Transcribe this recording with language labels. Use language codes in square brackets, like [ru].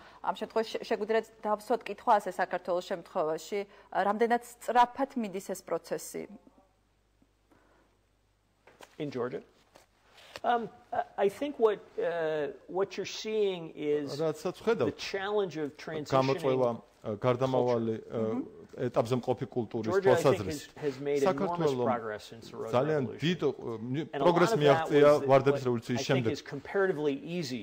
[ka] Ამ შემთხვევაში შეგვიძლია დავსვათ კითხვა ასე საქართველოს შემთხვევაში რამდენად სწრაფად მიდის ეს პროცესი [en] In Georgia I think what you're seeing is the challenge of transitioning [ka] ეტაპზე მყოფი კულტურის თვალსაზრისით საქართველომ ძალიან დიდ პროგრესს მიაღწია ვარდების რევოლუციის შემდეგ.